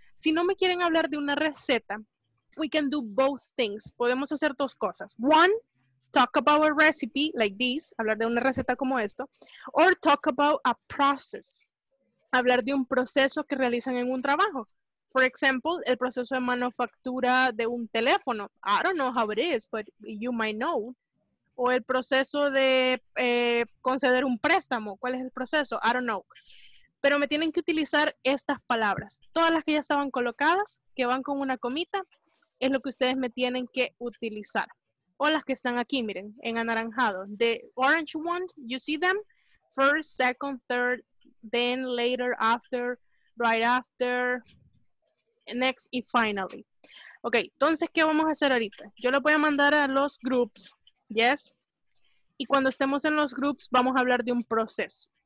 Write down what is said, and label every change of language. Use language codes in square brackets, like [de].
[es] Si no me quieren hablar de una receta, [en] we can do both things. [es] Podemos hacer dos cosas. [en] One, talk about a recipe like this, [es] hablar de una receta como esto, [en] or talk about a process, [es] hablar de un proceso que realizan en un trabajo. [en] For example, [es] el proceso de manufactura de un teléfono. [en] I don't know how it is, but you might know. [es] O el proceso de conceder un préstamo. ¿Cuál es el proceso? [en] I don't know. [es] Pero me tienen que utilizar estas palabras. Todas las que ya estaban colocadas, que van con una comita, es lo que ustedes me tienen que utilizar. O las que están aquí, miren, en anaranjado. [en] The orange one, you see them? First, second, third, then, later, after, right after, next, and finally. [es] Ok, entonces, ¿qué vamos a hacer ahorita? Yo lo voy a mandar a los groups. Yes. Y cuando estemos en los groups, vamos a hablar de un proceso.